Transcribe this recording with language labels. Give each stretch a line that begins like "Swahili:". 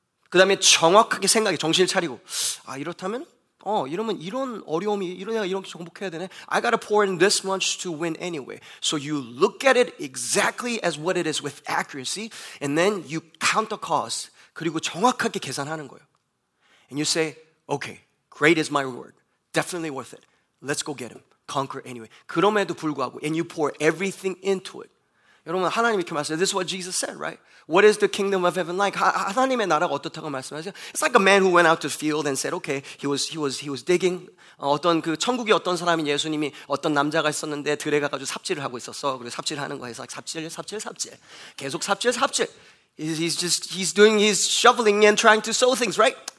Korean: 그 다음에 정확하게 생각해, 정신을 차리고, 아, 이렇다면? 이러면 이런 어려움이, 이런 애가 이렇게 정복해야 되네.
English: I gotta pour in this much to win anyway. So you look at it exactly as what it is with accuracy, and then you count the cost.
Korean: 그리고 정확하게 계산하는 거예요.
English: And you say, okay, great is my reward. Definitely worth it. Let's go get him. Conquer anyway.
Korean: 그럼에도 불구하고,
English: and you pour everything into it.
Korean: 여러분 하나님 이렇게 말씀하세요.
English: This is what Jesus said, right? What is the kingdom of heaven like?
Korean: 하나님의 나라가 어떻다고 말씀하세요?
English: It's like a man who went out to the field and said, okay, he was digging.
Korean: 어떤 그 천국이 어떤 사람인 예수님이 어떤 남자가 있었는데 들에 가가지고 삽질을 하고 있었어. 그리고 삽질을 하는 거예요. 삽질. 계속 삽질.
English: He's shoveling and trying to sow things, right?